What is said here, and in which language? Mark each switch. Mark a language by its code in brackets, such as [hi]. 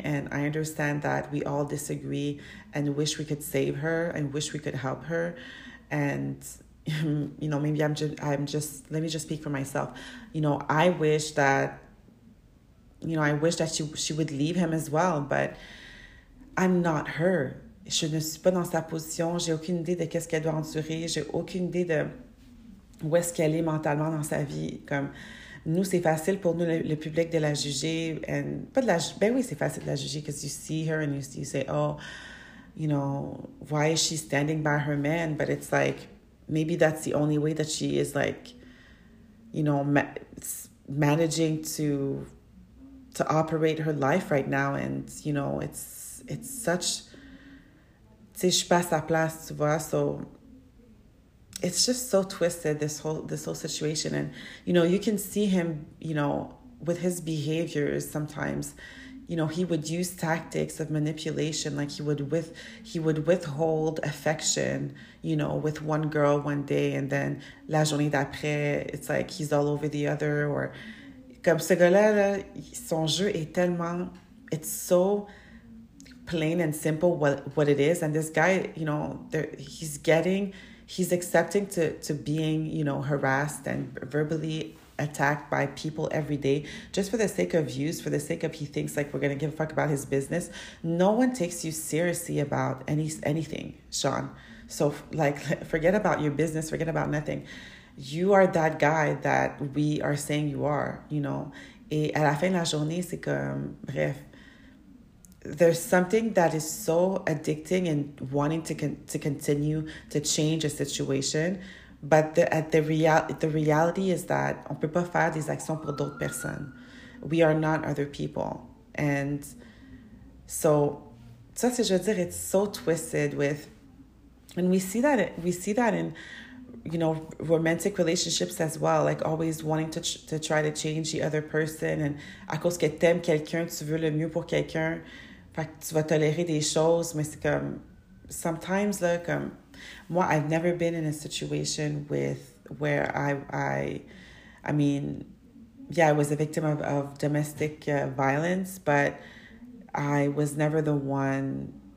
[en] And I understand that we all disagree and wish we could save her and wish we could help her. And, you know, maybe let me just speak for myself. You know, I wish that she would leave him as well, but I'm not her. [fr] Je ne suis pas dans sa position. J'ai aucune idée de qu'est-ce qu'elle doit endurer. J'ai aucune idée de où est-ce qu'elle est mentalement dans sa vie. Comme nous, c'est facile pour nous, le public, de la juger. [en] And, [fr] pas de la, ben oui, c'est facile de la juger [en] because you see her and you say, oh, you know, why is she standing by her man? But it's like, maybe that's the only way that she is, like, you know, managing to operate her life right now. And, you know, it's such... [fr] Tu sais, je suis pas à sa place, tu vois, so... [en] It's just so twisted, this whole situation. And, you know, you can see him, you know, with his behaviors sometimes, you know, he would use tactics of manipulation. Like, he would withhold affection, you know, with one girl one day, and then [fr] la journée d'après, [en] it's like he's all over the other. [fr] Or, comme ce gars-là, là, son jeu est tellement... [en] It's so... plain and simple what it is. And this guy, you know, he's accepting to being, you know, harassed and verbally attacked by people every day just for the sake of views, for the sake of he thinks like we're gonna give a fuck about his business. No one takes you seriously about anything, Sean. So like, forget about your business, forget about nothing. You are that guy that we are saying you are, you know. [fr] Et à la fin de la journée, c'est comme, bref, [en] there's something that is so addicting and wanting to continue to change a situation, but the reality is that [fr] on peut pas faire des actions pour d'autres personnes. [en] We are not other people. And so, [fr] ça c'est, je veux dire, [en] it's so twisted with, and we see that in, you know, romantic relationships as well, like always wanting to try to change the other person. [fr] And à cause que t'aimes quelqu'un, tu veux le mieux pour quelqu'un. Fait que tu vas tolérer des choses, mais c'est comme... [en] Sometimes, [fr] là, comme... [en] Moi, I've never been in a situation with... Where I mean... Yeah, I was a victim of domestic violence, but I was never the one...